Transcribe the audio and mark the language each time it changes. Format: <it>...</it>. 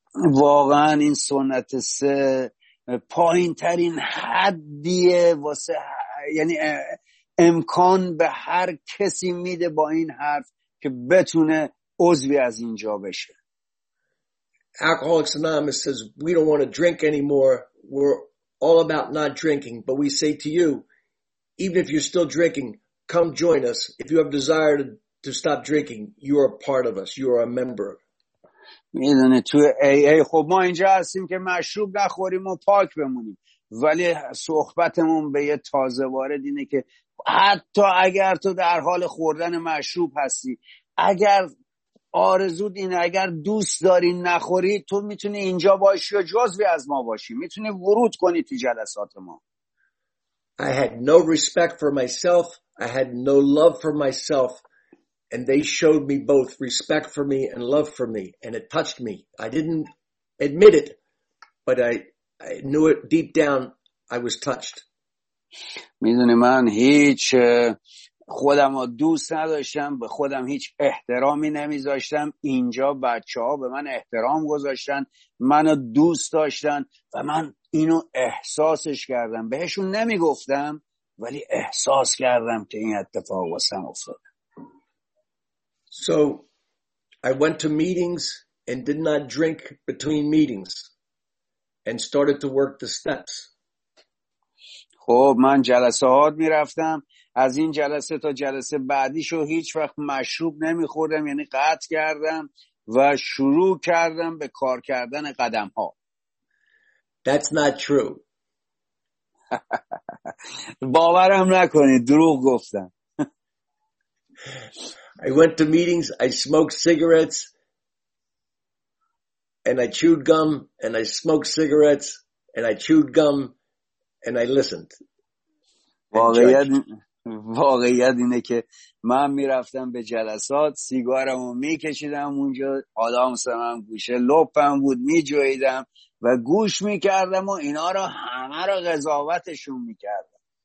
<fa>واقعا این سنت سه پایین ترین حدیه واسه، یعنی امکان به هر کسی میده با این حرف که بتونه عضوی از اینجا بشه.</fa> <en>Alcoholics Anonymous says we don't want to drink anymore. We're all about not drinking. But we say to you, even if you're still drinking, come join us. If you have desire to to stop drinking. You are part of us. You are a member.</en> <fa>میدونه تو AA خب ما اینجا هستیم که مشروب نخوریم و پاک بمونیم، ولی صحبتمون به یه تازه وارد اینه که حتی اگر تو در حال خوردن مشروب هستی، اگر آرزود اینه، اگر دوست داری نخوری، تو میتونی اینجا باشی و جزوی از ما باشی، میتونی ورود کنی تو جلسات ما.</fa> <en>I had no respect for myself, I had no love for myself, and they showed me both respect for me and love for me, and it touched me. I didn't admit it, but I knew it deep down, I was touched.</en> <fa>میدونی من هیچ خودم رو دوست نداشتم، به خودم هیچ احترامی نمیذاشتم، اینجا بچه ها به من احترام گذاشتن، منو دوست داشتن و من اینو احساسش کردم. بهشون نمیگفتم ولی احساس کردم که این اتفاق واسم افتاد.</fa> <en>So I went to meetings and did not drink between meetings and started to work the steps.</en> <fa>خب من جلسات می رفتم، از این جلسه تا جلسه بعدیشو هیچ وقت مشروب نمی خوردم، یعنی قطع کردم و شروع کردم به کار کردن قدم ها.</fa> <en>That's not true.</en> <fa>باورم نکنید، دروغ گفتم.</fa> <en>I went to meetings, I smoked cigarettes, and I chewed gum, and I smoked cigarettes, and I chewed gum, and I listened.</en> <fa>واقعیت اینه که من میرفتم به جلسات، سیگارمو میکشیدم اونجا، آدامسم هم گوشه لپم بود، میجویدم و گوش میکردم و اینا رو همه رو قضاوتشون میکردم.</fa>